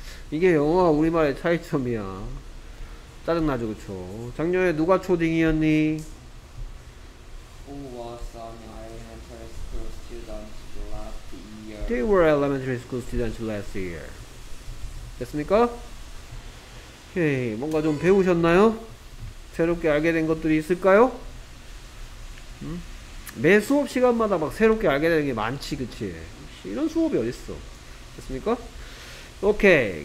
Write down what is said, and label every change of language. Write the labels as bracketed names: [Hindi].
[Korean] 이게 영어와 우리말의 차이점이야. 짜증나죠, 그쵸? 작년에 누가 초딩이었니? [English] Who was an elementary school student last year? They were elementary school students last year. [Korean] 됐습니까? 오케이, 뭔가 좀 배우셨나요? 새롭게 알게 된 것들이 있을까요? 음? 매 수업 시간마다 막 새롭게 알게 되는 게 많지, 그치? 이런 수업이 어딨어? 됐습니까? 오케이.